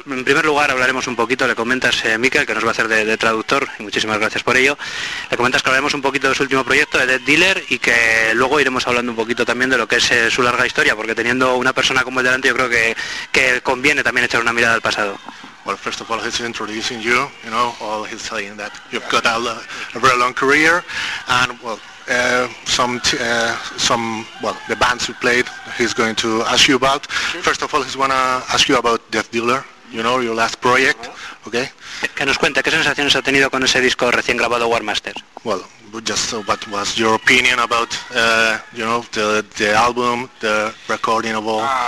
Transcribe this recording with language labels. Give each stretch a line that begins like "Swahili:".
Spanish: En primer lugar, hablaremos un poquito, le comentas, Mikel, que nos va a hacer de traductor, y muchísimas gracias por ello. Le comentas que hablaremos un poquito de su último proyecto, de Dead Dealer, y que luego iremos hablando un poquito también de lo que es su larga historia, porque teniendo una persona como él delante, yo creo que conviene también echar una mirada al pasado.
English: Well, first of all, he's introducing you, you know, all he's saying that you've got a very long career, and well, the bands you played, he's going to ask you about. Sure. First of all, he's going to ask you about Death Dealer, you know, your last project, okay?
Spanish: Que nos cuente, ¿qué sensaciones ha tenido con ese disco recién grabado, War Master?
English: Well, just what was your opinion about, you know, the album, the recording of all?